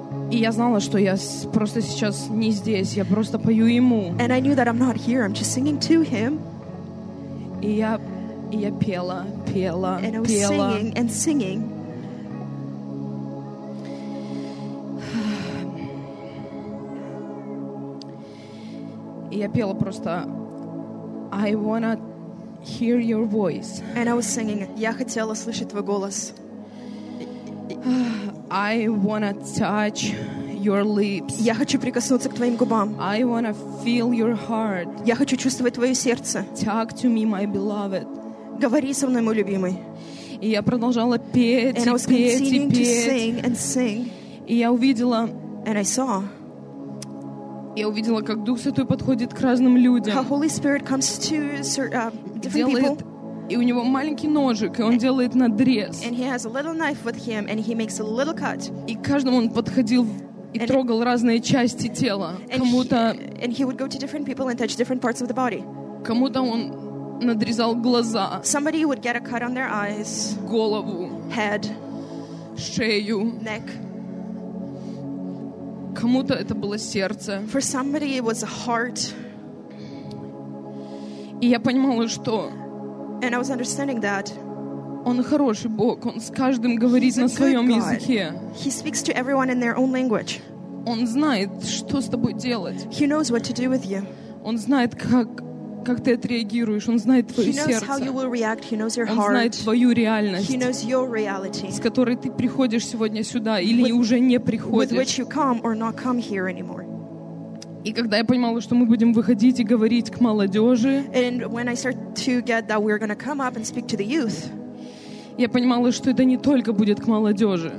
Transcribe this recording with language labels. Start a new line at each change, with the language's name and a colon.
Russian: И я знала, что я просто сейчас не здесь, я просто пою ему.
English: And I knew that I'm not here, I'm just singing to him.
Russian: И я пела, пела,
English: and And I was singing and singing.
Russian: И я пела просто
English: I wanna hear your voice. And I was singing,
Russian: я хотела слышать твой голос.
English: I wanna touch your lips.
Russian: Я хочу прикоснуться к твоим губам.
English: I wanna feel your heart.
Russian: Я хочу чувствовать твое сердце.
English: Talk to me, my beloved.
Russian: Говори со мной, мой любимый. И я продолжала петь,
English: And I was continuing to sing and sing.
Russian: И я увидела.
English: And I saw.
Russian: Я увидела, как Дух Святой подходит к разным людям.
English: How Holy Spirit comes to different people.
Russian: И у него маленький ножик, и он делает надрез.
English: And he has a little knife with him, and he makes a little cut.
Russian: И каждому он подходил и
English: and
Russian: трогал разные части тела. Кому-то.
English: And he would go to different people and touch different parts of the body.
Russian: Кому-то он надрезал глаза.
English: Somebody would get a cut on their eyes.
Russian: Голову.
English: Head.
Russian: Шею.
English: Neck.
Russian: Кому-то это было сердце.
English: For somebody it was a heart.
Russian: И я понимала, что
English: And I was understanding that.
Russian: Он хороший Бог. Он с каждым говорит на своем языке.
English: He speaks to everyone in their own language.
Russian: Он знает, что с тобой делать.
English: He knows what to do with you.
Russian: Он знает, как ты отреагируешь. Он знает твое сердце.
English: He knows how you will react. He knows your heart.
Russian: Он знает твою реальность.
English: He knows your reality.
Russian: С которой ты приходишь сегодня сюда или уже не приходишь.
English: With which you come or not come here anymore.
Russian: И когда я понимала, что мы будем выходить и говорить к молодежи,
English: youth,
Russian: я понимала, что это не только будет к молодежи.